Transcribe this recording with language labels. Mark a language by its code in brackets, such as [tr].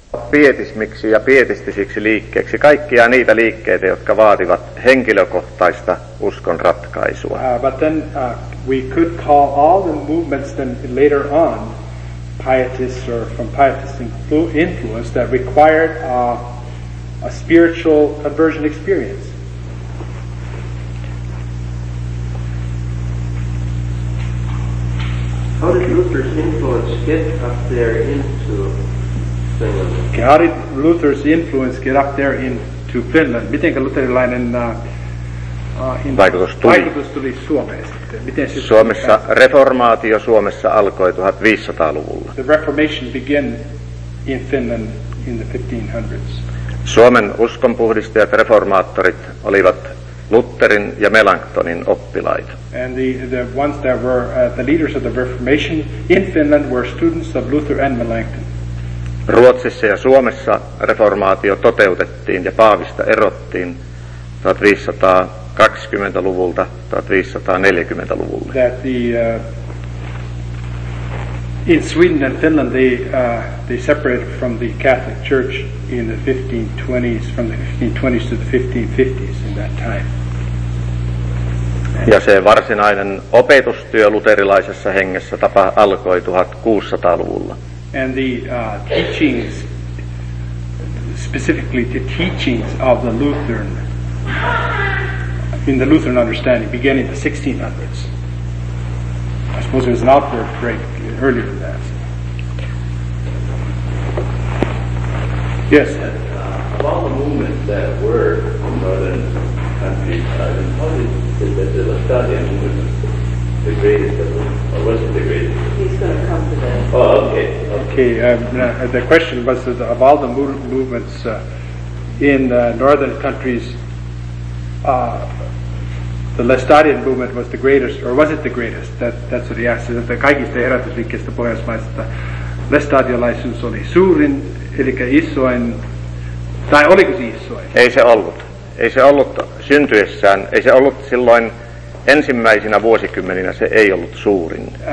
[fi] Pietismiksi ja pietistisiksi liikkeeksi kaikkia niitä liikkeitä, jotka vaativat henkilökohtaista uskon ratkaisua. [en] But then we could call all the movements then later on pietists or from pietist influence that required a spiritual conversion experience. How did Luther's influence get up there into Finland? How did Luther's influence get up there into Finland? [fi] Miten luterilainen vaikutus tuli Suomeen sitten? Miten sitten Suomessa reformaatio Suomessa alkoi 1500-luvulla. [en] The Reformation began in Finland in the 1500s. [fi] Suomen uskonpuhdistajat reformaattorit olivat Lutherin ja Melanchthonin oppilaita. [en] And the ones that were the leaders of the Reformation in Finland were students of Luther and Melanchthon. [fi] Ruotsissa ja Suomessa reformaatio toteutettiin ja paavista erottiin 1520-luvulta 1540-luvulle. [en] That the in Sweden and Finland they separated from the Catholic Church in the 1520s from the 1520s to the 1550s in that time. [fi] Ja se varsinainen opetustyö luterilaisessa hengessä alkoi 1600-luvulla. [en] And the teachings, specifically the teachings of the Lutheran, in the Lutheran understanding, began in the 1600s. I suppose it was an outbreak earlier than that. Yes? Of all the movements that were in northern countries, how did the Lutheran movement, the greatest of them? The question was that of all the movements in northern countries, the Lestadian movement was the greatest, or was it the greatest? That's what he asked. [fi] The kaikista herätysliikkeistä pohjoismaista lestadiolaisuus oli suurin, eli isoin, tai oliko se isoin? Ei se ollut. Ei se ollut syntyessään. Ei se ollut silloin. Ensimmäisinä vuosikymmeninä se ei ollut suurin.